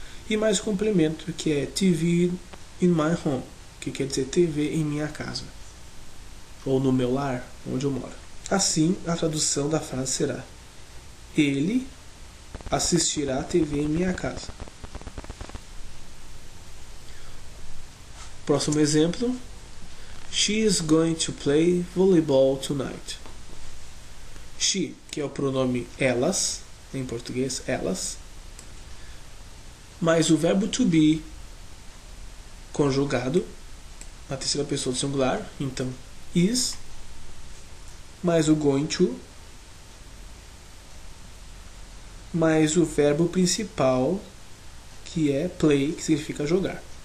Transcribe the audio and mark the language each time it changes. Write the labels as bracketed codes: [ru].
[pt] E mais o complemento, que é [en] TV in my home, [pt] que quer dizer TV em minha casa. Ou no meu lar, onde eu moro. Assim, a tradução da frase será: ele assistirá a TV em minha casa. Próximo exemplo: [en] she is going to play volleyball tonight. [pt] She, que é o pronome elas, em português, elas, mais o verbo to be, conjugado, na terceira pessoa do singular, então is, mais o going to, mais o verbo principal, que é play, que significa jogar.